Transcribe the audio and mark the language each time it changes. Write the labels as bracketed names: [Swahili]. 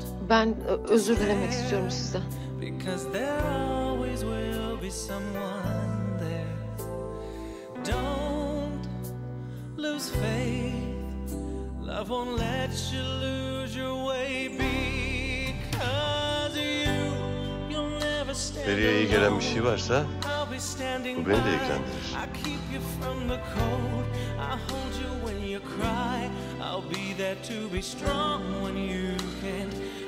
[Turkish] Ben özür dilemek istiyorum size. [English] Because there always will be someone there. Don't lose faith. Love won't let you lose your way. Because you'll never stand alone. [Turkish] Feriye'ye iyi gelen bir şey varsa bu beni de ilgilendirir. [English] I'll keep you from the cold. I'll hold you when you cry. I'll be there to be strong when you can.